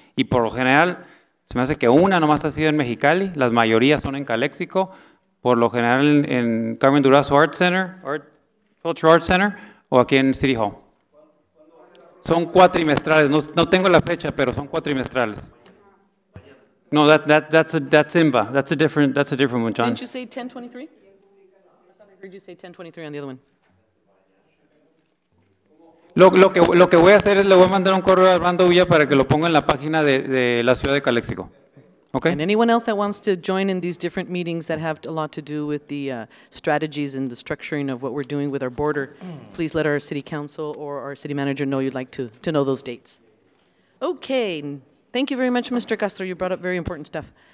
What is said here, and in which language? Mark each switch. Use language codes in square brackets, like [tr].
[es] Y por lo general, se me hace que una nomás ha sido en Mexicali, las mayorías son en Calexico, por lo general en Carmen Durazo Art Center, Cultural Art Center, o aquí en City Hall. Son cuatrimestrales, no tengo la fecha, pero son cuatrimestrales. [en] No, that's IMBA, that's a different one, John. Didn't you say 1023? I heard you say 1023 on the other one. [es] Lo que voy a hacer es le voy a mandar un correo a Armando Villa para que lo ponga en la página de la ciudad de Calexico. [en] Okay? And anyone else that wants to join in these different meetings that have a lot to do with the strategies and the structuring of what we're doing with our border, please let our city council or our city manager know you'd like to know those dates. Okay. Thank you very much, Mr. Castro. You brought up very important stuff.